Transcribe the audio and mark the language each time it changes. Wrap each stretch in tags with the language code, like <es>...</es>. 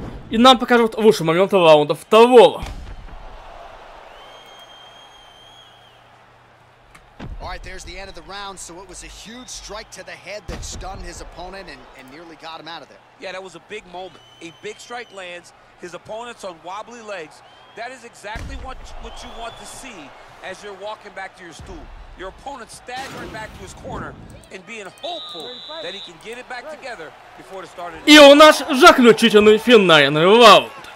<ru>И нам покажут лучшие моменты раунда второго.</ru> <en>All right, there's the end of the round. So it was a huge strike to the head that stunned his opponent and nearly got him out of there. Yeah, that was a big moment. A big strike lands, his opponent's on wobbly legs. That is exactly what you want to see as you're walking back to your stool. Your opponent staggering back to his corner and being hopeful that he can get it back together before the start of the</en> <ru>И у нас заключительный финальный раунд.</ru>